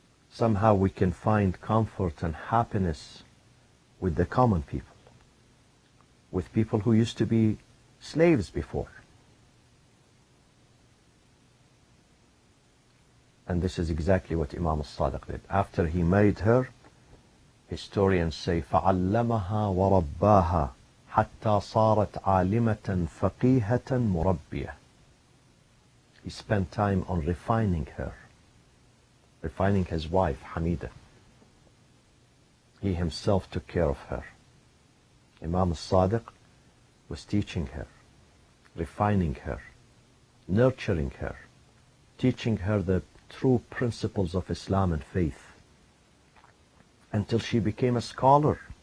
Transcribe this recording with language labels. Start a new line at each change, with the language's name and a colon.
English: Somehow we can find comfort and happiness with the common people, with people who used to be slaves before. And this is exactly what Imam al-Sadiq did. After he married her, historians say,
Arabic: فَعَلَّمَهَا وَرَبَّاهَا حَتَّى صَارَتْ عَالِمَةً فَقِيهَةً مُرَبِّيَةً.
English: He spent time on refining her, refining his wife, Hamida. He himself took care of her. Imam al-Sadiq was teaching her, refining her, nurturing her, teaching her the true principles of Islam and faith, until she became a scholar.